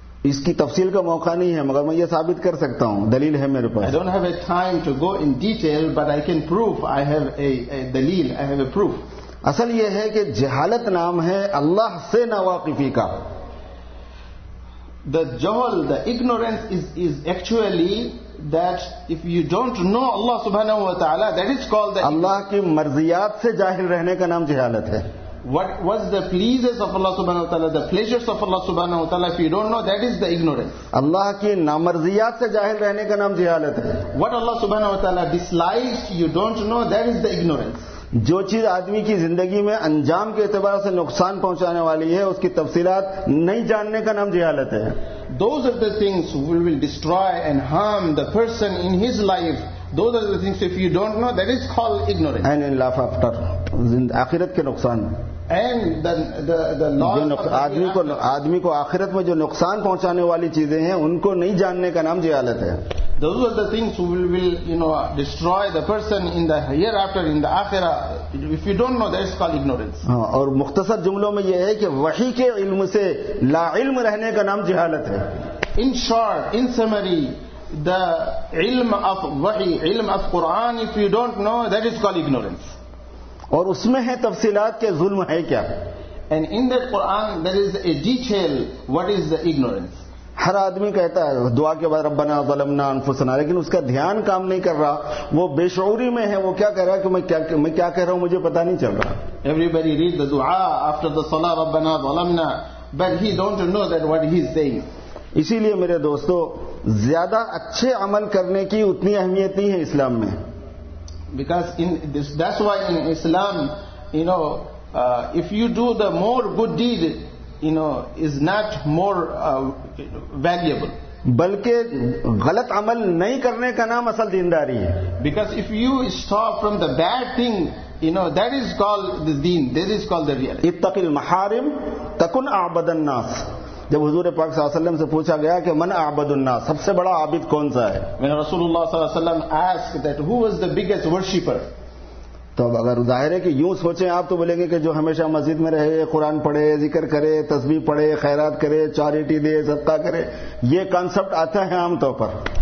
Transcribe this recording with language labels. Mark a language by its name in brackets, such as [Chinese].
[Urdu] اس کی تفصیل کا موقع نہیں ہے مگر میں یہ ثابت کر سکتا ہوں, دلیل ہے میرے پاس. [English] I don't have a time to go in detail, but I can prove. I have a دلیل, I have a proof. [Urdu] اصل یہ ہے کہ جہالت نام ہے اللہ سے ناواقفی کا. [English] The جہل, the ignorance is actually that if you don't know Allah subhanahu wa ta'ala, that is called the [Urdu] Allah ki marziyat se jahil rehne ka naam jahalat hai. [English] What was the pleases of Allah subhanahu wa ta'ala, the pleasures of Allah subhanahu wa ta'ala, if you don't know, that is the ignorance. [Urdu] Allah ki namarziyat se jahil rehne ka naam jahalat hai. [English] What Allah subhanahu wa ta'ala dislikes, you don't know, that is the ignorance. [Urdu] جو چیز آدمی کی زندگی میں انجام کے اعتبار سے نقصان پہنچانے والی ہے اس کی تفصیلات نہیں جاننے کا نام جہالت ہے. [English] Those are the things which will destroy and harm the person in his life. Those are the things if you don't know, that is called ignorance. And in life after, [Urdu] آخرت کے نقصان. [English] And the loss [Urdu] آدمی کو آخرت میں جو نقصان پہنچانے والی چیزیں ہیں ان کو نہیں جاننے کا نام جہالت ہے. [English] Those are the things who will you know, destroy the person in the hereafter, in the akhirah. If you don't know, that is called ignorance. [Urdu] اور مختصر جملوں میں یہ ہے کہ وحی کے علم سے لا علم رہنے کا نام جہالت ہے. [English] In short, in summary, the علم of وحی, علم of Quran, if you don't know, that is called ignorance. [Urdu] اور اس میں ہے تفصیلات کے ظلم ہے کیا. [English] And in that Quran, there is a detail, what is the ignorance. [Urdu] ہر آدمی کہتا ہے دعا کے بعد [Arabic] ربنا ظلمنا انفسنا, [Urdu] لیکن اس کا دھیان کام نہیں کر رہا, وہ بے شعوری میں ہے. وہ کیا کہہ رہا ہے کہ میں کیا کہہ رہا ہوں مجھے پتا نہیں چل رہا. [English] Everybody read the dua after the salah [Arabic] ربنا ظلمنا, [English] but he don't know that what he is saying. [Urdu] اسی لیے میرے دوستو زیادہ اچھے عمل کرنے کی اتنی اہمیت نہیں ہے اسلام میں. [English] Because in this, that's why in Islam, you know, if you do the more good deed, you know, is not more valuable. [Urdu] بلکہ غلط عمل نہیں کرنے کا نام اصل دینداری ہے. [English] Because if you stop from the bad thing, you know, that is called the deen, that is called the reality. [Arabic] اتق المحارم تکن اعبد الناس. [Urdu] جب حضور پاک صلی اللہ علیہ وسلم سے پوچھا گیا کہ [Arabic] من اعبد الناس, [Urdu] سب سے بڑا عابد کون سا ہے. [English] When Rasulullah [Arabic] صلی اللہ علیہ وسلم [English] asked that who was the biggest worshipper, [Urdu] تو اب اگر ظاہر ہے کہ یوں سوچیں آپ تو بولیں گے کہ جو ہمیشہ مسجد میں رہے, قرآن پڑھے, ذکر کرے, تسبیح پڑھے, خیرات کرے, چاریٹی دے, صدقہ کرے, یہ کانسیپٹ آتا ہے عام طور پر.